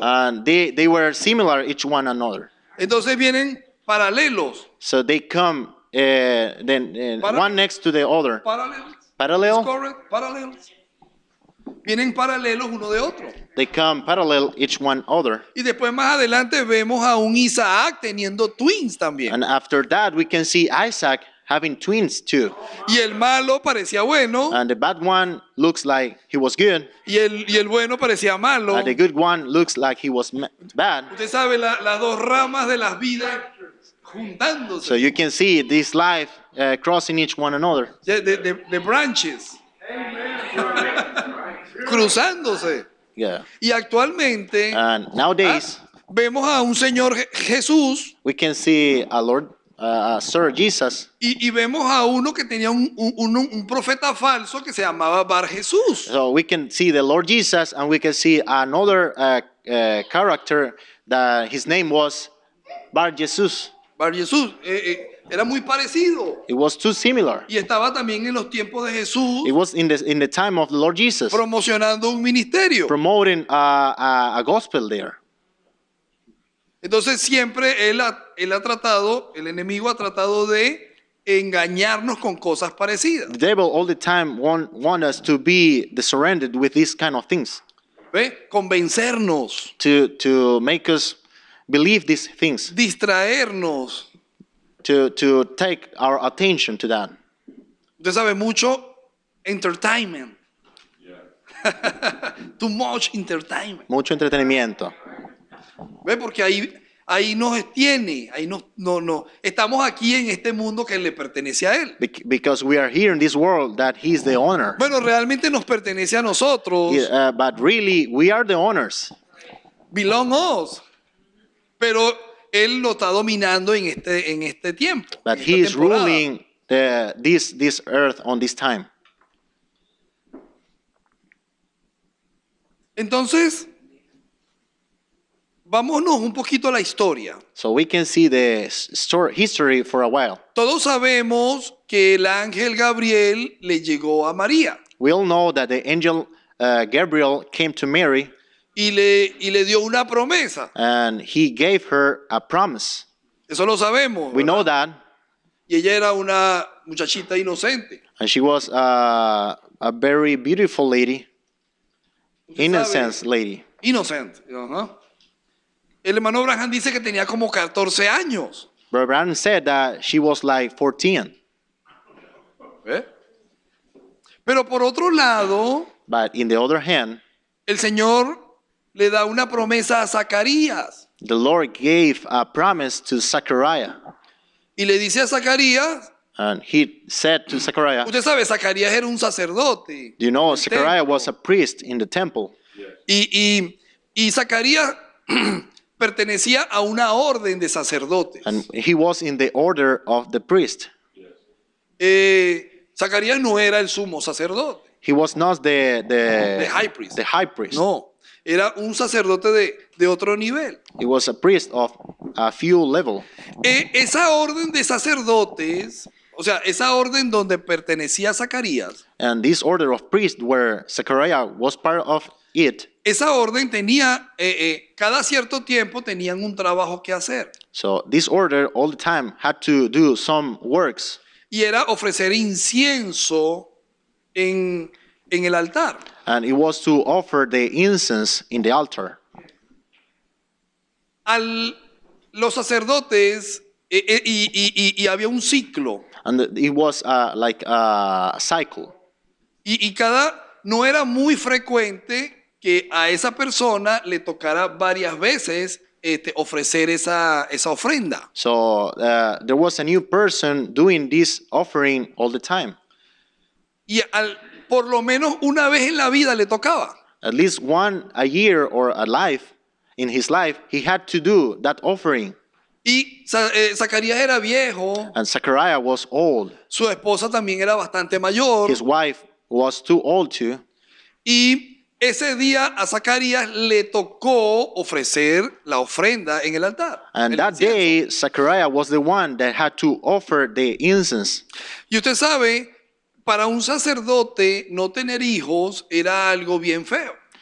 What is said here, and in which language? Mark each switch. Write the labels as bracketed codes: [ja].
[en] And they were similar each one another. [es] Entonces vienen paralelos. [en] So they come one next to the other. Parallels. Correct. Parallels. [es] Vienen paralelos uno de otro. [en] They come parallel each one other. [es] Y después más adelante vemos a un Isaac teniendo [en] twins [es] también. [en] And after that we can see Isaac having twins too. [es] Y el malo parecía bueno. [en] And the bad one looks like he was good. [es] Y el bueno parecía malo. [en] And the good one looks like he was bad. [es] Usted sabe las dos ramas de las vidas juntándose. [en] So you can see this life crossing each one another. Yeah, the branches. [es] Cruzándose. [en] Yeah. [es] Y actualmente, [en] and nowadays, [es] vemos a un señor Jesús. [en] We can see a Lord, Sir Jesus. [es] Y vemos a uno que tenía un profeta falso que se llamaba Bar Jesús. [en] So we can see the Lord Jesus, and we can see another character that his name was Bar Jesús. [es] Bar Jesús. Era muy parecido. [en] It was too similar. [es] Y estaba también en los tiempos de Jesús. [en] It was in the time of the Lord Jesus. [es] Promocionando un ministerio. [en] Promoting a gospel there. [es] Entonces siempre el enemigo ha tratado de engañarnos con cosas parecidas. [en] The devil all the time want us to be surrounded with these kind of things. [es] ¿Ve? Convencernos. [en] To make us believe these things. [es] Distraernos. [en] To take our attention to that. [es] Usted sabe mucho entertainment. [en] Too much entertainment. [es] Mucho entretenimiento. ¿Ve? Porque ahí nos tiene, ahí no estamos aquí en este mundo que le pertenece a él. [en] Because we are here in this world that he is the owner. [es] Bueno, realmente nos pertenece a nosotros. [en] But really we are the owners. Belong us. [es] Pero él lo está dominando en este tiempo. [en] But en he is ruling this earth on this time. [es] Entonces, vámonos un poquito a la historia. [en] So we can see the history for a while. [es] Todos sabemos que el ángel Gabriel le llegó a María. [en] We all know that the angel Gabriel came to Mary. [es] Y le dio una promesa. [en] And he gave her a promise. [es] Eso lo sabemos. [en] We [es] ¿verdad? [en] Know that. [es] Y ella era una muchachita inocente. [en] And she was a very beautiful lady. Innocent lady. Innocent. Uh-huh. [es] El hermano Branham dice que tenía como 14 años. [en] Bro Branham said that she was like 14. [es] ¿Eh? Pero por otro lado, [en] but in the other hand, [es] el Señor le da una promesa a Zacarías. [en] The Lord gave a promise to Zachariah. [es] Y le dice a Zacarías, [en] and he said to Zachariah, [es] usted sabe, Zacarías era un sacerdote. [en] Do you know, Zachariah was a priest in the temple. Yes. [es] Y Zacarías pertenecía a una orden de sacerdotes. [en] And he was in the order of the priest. Yes. [es] Zacarías no era el sumo sacerdote. [en] He was not the high priest. The high priest. [es] No, era un sacerdote de otro nivel. [en] He was a priest of a few level. [es] Esa orden de sacerdotes, o sea, esa orden donde pertenecía Zacarías. [en] And this order of priest where Zachariah was part of it. [es] Esa orden tenía, cada cierto tiempo tenían un trabajo que hacer. [en] So this order all the time had to do some works. [es] Y era ofrecer incienso en el altar. [en] And it was to offer the incense in the altar. [es] Los sacerdotes, y había un ciclo. [en] And it was like a cycle. [es] Y cada, no era muy frecuente que a esa persona le tocara varias veces ofrecer esa ofrenda. [en] So there was a new person doing this offering all the time. [es] Y por lo menos una vez en la vida le tocaba. [en] At least one a year or a life in his life he had to do that offering. [es] Y Zacarías era viejo. [en] And Zachariah was old. [es] Su esposa también era bastante mayor. [en] His wife was too old too. [es] Y ese día a Zacarías le tocó ofrecer la ofrenda en el altar. [en] And el that incienso. Day, Zachariah was the one that had to offer the incense. [es] Y usted sabe, para un sacerdote no tener hijos era algo bien feo.